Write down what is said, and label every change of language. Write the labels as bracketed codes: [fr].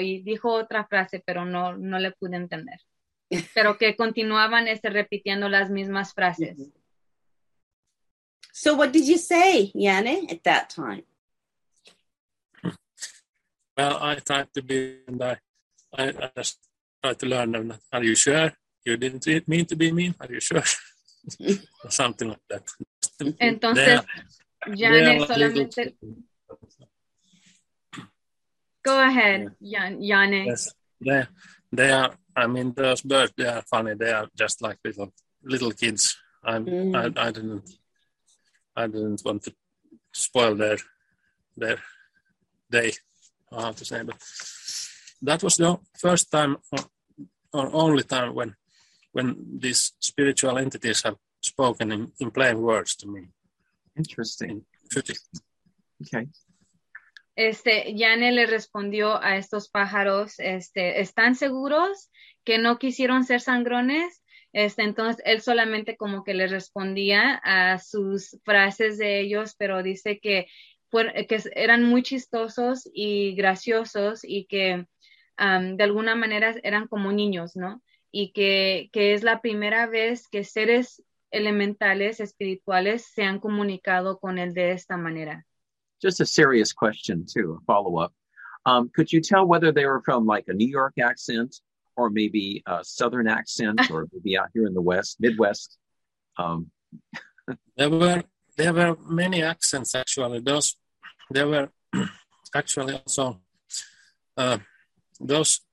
[es] Y dijo otra frase, pero no le pude entender. Pero que continuaban repitiendo las mismas frases. [en] So what did you say, Jane, at that time? Well, I tried to be, and I just tried to learn them. Are you sure? You didn't mean to be mean, are you sure? Something like that. [es] Entonces, Jane solamente... [en] Go ahead, Jane. Yes. They are, I mean, those birds, they are funny. They are just like little kids. I didn't want to spoil their day, I have to say. But that was the first time or only time when these spiritual entities have spoken in plain words to me. Interesting. Okay. [es] Jane le respondió a estos pájaros, ¿están seguros que no quisieron ser sangrones? Entonces, él solamente como que le respondía a sus frases de ellos, pero dice que eran muy chistosos y graciosos y que de alguna manera eran como niños, ¿no? Y que es la primera vez que seres elementales, espirituales, se han comunicado con él de esta manera. [en] Just a serious question, too, a follow-up. Could you tell whether they were from, like, a New York accent, or maybe a Southern accent, or maybe out here in the West, Midwest? there were many accents, actually. There were actually also those...